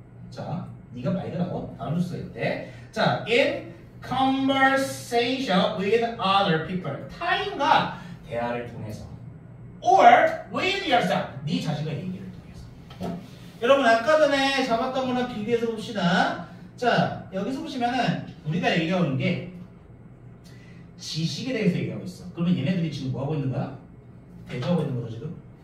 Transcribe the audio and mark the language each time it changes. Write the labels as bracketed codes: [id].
[ko] 자, 네가 발견하고 다듬을 수가 있대. 자, [en] in conversation with other people. [ko] 타인과 대화를 통해서. [en] Or with yourself. [ko] 네 자신과 얘기를 통해서. 여러분, 아까 전에 잡았던 거랑 비교해서 봅시다. 자, 여기서 보시면은 우리가 얘기하는 게 지식에 대해서 얘기하고 있어. 그러면 얘네들이 지금 뭐하고 있는 거야? 대조하고 있는 거죠 지금?